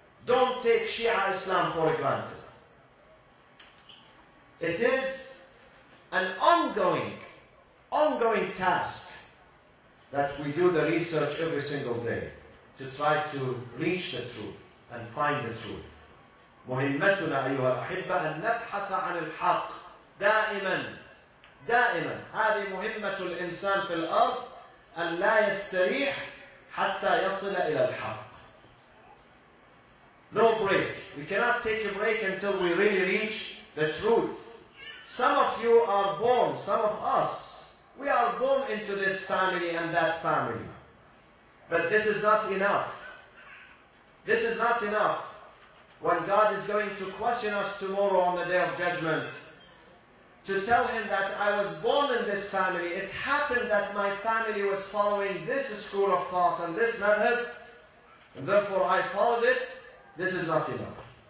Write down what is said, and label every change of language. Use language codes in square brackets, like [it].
[en] Don't take Shia Islam for granted. It is an ongoing task that we do the research every single day to try to reach the truth and find the truth. [ar] مهمتنا أيها الأحبة أن نبحث عن الحق دائما دائما. هذه مهمة الإنسان في الأرض أن لا يستريح حتى يصل إلى الحق. [en] No break. We cannot take a break until we really reach the truth. Some of you are born, some of us, we are born into this family and that family. But this is not enough. This is not enough. When God is going to question us tomorrow on the Day of Judgment, to tell Him that I was born in this family, it happened that my family was following this school of thought and this method, and therefore I followed it, this is not enough.